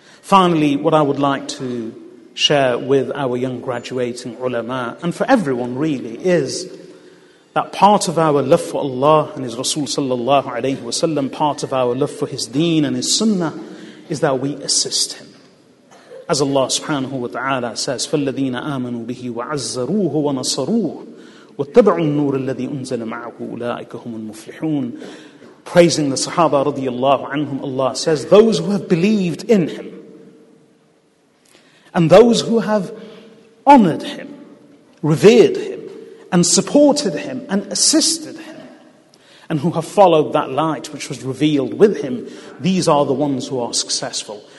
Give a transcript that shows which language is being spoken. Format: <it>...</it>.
<en>Finally, what I would like to share with our young graduating ulama, and for everyone really, is that part of our love for Allah and His Rasul sallallahu alayhi wa sallam, part of our love for His deen and His sunnah, is that we assist Him. As Allah subhanahu wa ta'ala says,</en> <ar>فَالَّذِينَ آمَنُوا بِهِ وَعَزَّرُوهُ وَنَصَرُوهُ وَاتَّبَعُوا النُّورَ الَّذِي أُنزَلَ مَعَهُ أُولَٰئِكَ هُمُ الْمُفْلِحُونَ.</ar> <en>Praising the Sahaba radiallahu anhum, Allah says, those who have believed in him and those who have honored him, revered him, and supported him and assisted him, and who have followed that light which was revealed with him, these are the ones who are successful.</en>